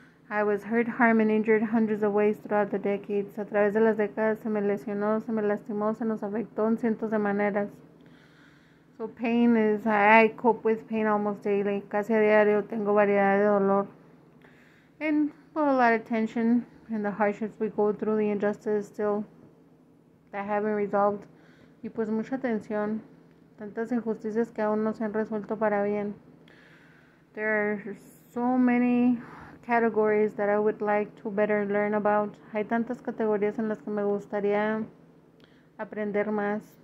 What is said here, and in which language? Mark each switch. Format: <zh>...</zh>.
<en>I was hurt, harmed, and injured hundreds of ways throughout the decades.</en> <es>A través de las décadas se me lesionó, se me lastimó, se nos afectó en cientos de maneras.</es> <en>So pain is, I cope with pain almost daily.</en> <es>Casi a diario tengo variedad de dolor.</es> <en>And put a lot of tension in the hardships we go through, the injustices still that haven't resolved.</en> <es>Y pues mucha tensión. Tantas injusticias que aún no se han resuelto para bien.</es> <en>There are so many categories that I would like to better learn about.</en> <es>Hay tantas categorías en las que me gustaría aprender más.</es>